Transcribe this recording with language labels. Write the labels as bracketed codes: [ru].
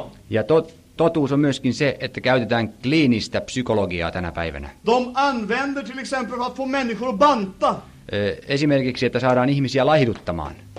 [fi] Ja totuus on myöskin se, että käytetään kliinistä psykologiaa tänä päivänä. [sv] De använder till exempel att få människor att banta. [fi] Esimerkiksi, että saadaan ihmisiä laihduttamaan.